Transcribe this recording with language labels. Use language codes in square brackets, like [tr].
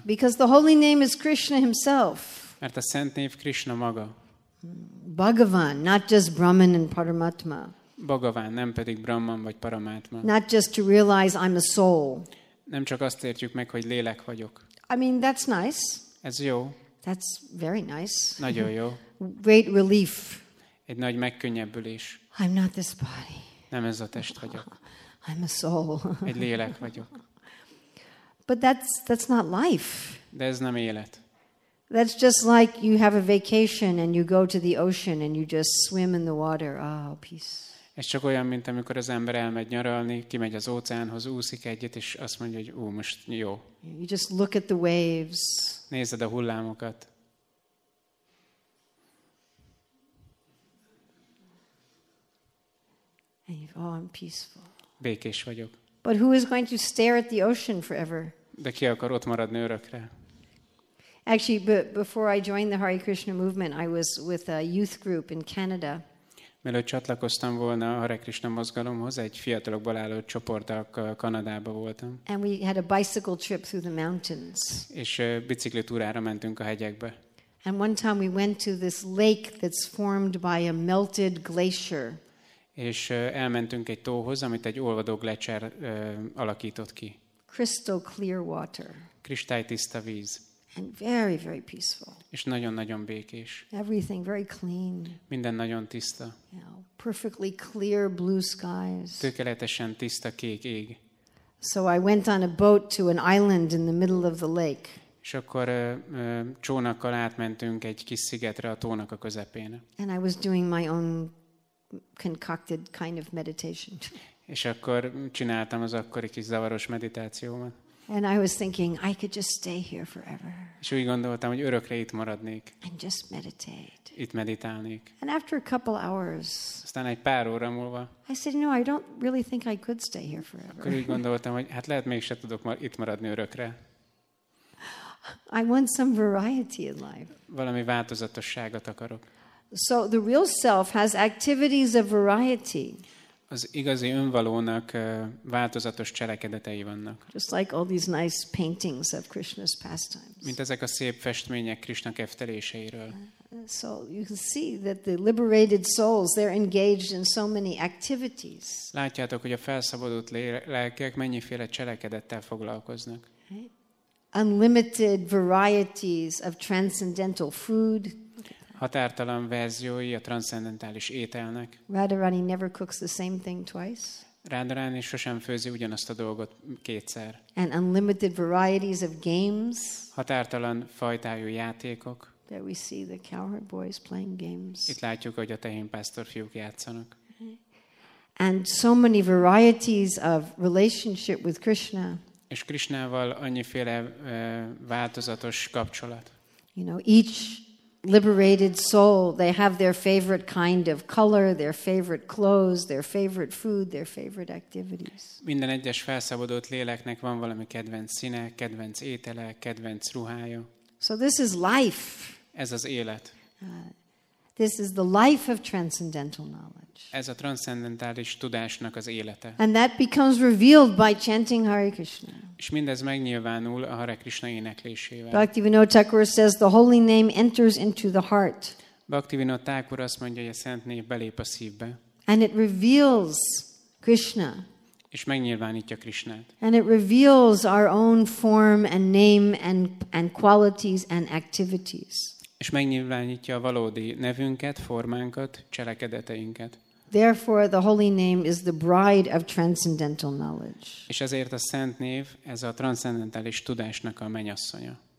[en] Because the holy name is Krishna himself. [hu] Mert a szent név Krishna maga. [en] Bhagavan, not just Brahman and Paramatma. [hu] Bhagavan, nem pedig Brahman vagy Paramatma. [en] Not just to realize I'm a soul. [hu] Nem csak azt értjük meg, hogy lélek vagyok. [en] I mean, that's nice. [hu] Ez jó. [en] That's very nice. [hu] Nagyon jó. [en] Great relief. [hu] Egy nagy megkönnyebbülés. [en] I'm not this body. [hu] Nem ez a test vagyok. [en] I'm a soul. [hu] Egy lélek vagyok. [en] But that's not life. [hu] De ez nem élet. [en] That's just like you have a vacation and you go to the ocean and you just swim in the water. Ah, oh, peace. [hu] Ez csak olyan, mint amikor az ember elmegy nyaralni, kimegy az óceánhoz, úszik egyet, és azt mondja, hogy most jó. [en] You just look at the waves. [hu] Nézed a hullámokat. [en] Oh, I'm peaceful. [hu] Békés vagyok. [en] But who is going to stare at the ocean forever? [hu] De ki akar ott maradni örökre? [en] Actually, but before I joined the Hare Krishna movement, I was with a youth group in Canada. [hu] Mielőtt csatlakoztam volna a Hare Krishna mozgalomhoz, egy fiatalokból álló csoporttal Kanadába voltam. [en] And we had a bicycle trip through the mountains. [hu] És biciklitúrára mentünk a hegyekbe. [en] And one time we went to this lake that's formed by a melted glacier. [hu] És elmentünk egy tóhoz, amit egy olvadó gleccser alakított ki. [en] Crystal clear water. [hu] Kristálytiszta víz. [en] And very, very peaceful. [hu] És nagyon-nagyon békés. [en] Everything very clean. [hu] Minden nagyon tiszta. [en] Perfectly clear blue skies. [hu] Tökéletesen tiszta kék ég. [en] So I went on a boat to an island in the middle of the lake. [hu] És akkor csónakkal átmentünk egy kis szigetre a tónak a közepén. [en] And I was doing my own concocted kind of meditation. [hu] És akkor csináltam az akkori kis zavaros meditációmat. [en] And I was thinking I could just stay here forever. [hu] És úgy gondoltam, hogy örökre itt maradnék. [en] And just meditate. [hu] Itt meditálnék. [en] And after a couple hours. [hu] Aztán egy pár óra múlva. [en] I said, no, I don't really think I could stay here forever. [hu] Akkor úgy gondoltam, hogy hát lehet mégsem tudok itt maradni örökre. [en] I want some variety in life. [hu] Valami változatosságot akarok. [en] So the real self has activities of variety. [hu] Az igazi önvalónak változatos cselekedetei vannak. [en] Just like all these nice paintings of Krishna's pastimes. [hu] Mint ezek a szép festmények Krishna kefteléseiről. [en] So you can see that the liberated souls, they're engaged in so many activities. [hu] Látjátok, hogy a felszabadult lelkek mennyiféle cselekedettel foglalkoznak. [en] Unlimited varieties of transcendental food. [hu] Határtalan verziói a transzcendentális ételnek. [en] Radharani never cooks the same thing twice. [hu] Radharani sosem főzi ugyanazt a dolgot kétszer. [en] And unlimited varieties of games. [hu] Határtalan fajtájú játékok. [en] There we see the cowherd boys playing games. [hu] Itt látjuk, hogy a tehénpásztor fiúk játszanak. [en] And so many varieties of relationship with Krishna. [hu] És Krishnával annyiféle változatos kapcsolat. [en] You know, each liberated soul, they have their favorite kind of color, their favorite clothes, their favorite food, their favorite activities. [hu] Minden egyes felszabadult léleknek van valami kedvenc színe, kedvenc étele, kedvenc ruhája. [en] So this is life. [hu] Ez az élet. [en] This is the life of transcendental knowledge. [hu] Ez a transzcendentális tudásnak az élete. [en] And that becomes revealed by chanting Hare Krishna. [hu] És mindez megnyilvánul a Hare Krishna éneklésével. [en] Bhaktivinoda Thakura says the holy name enters into the heart. [hu] Bhaktivinoda Thakura azt mondja, hogy a szent név belép a szívbe. [en] And it reveals Krishna. [hu] És megnyilvánítja Krishnát. [en] And it reveals our own form and name and qualities and activities. [hu] És megnyilvánítja a valódi nevünket, formánkat, cselekedeteinket. [en] Therefore the holy name is the bride of transcendental knowledge. [hu] És ezért a szent név ez a transzcendentális tudásnak a menyasszonya.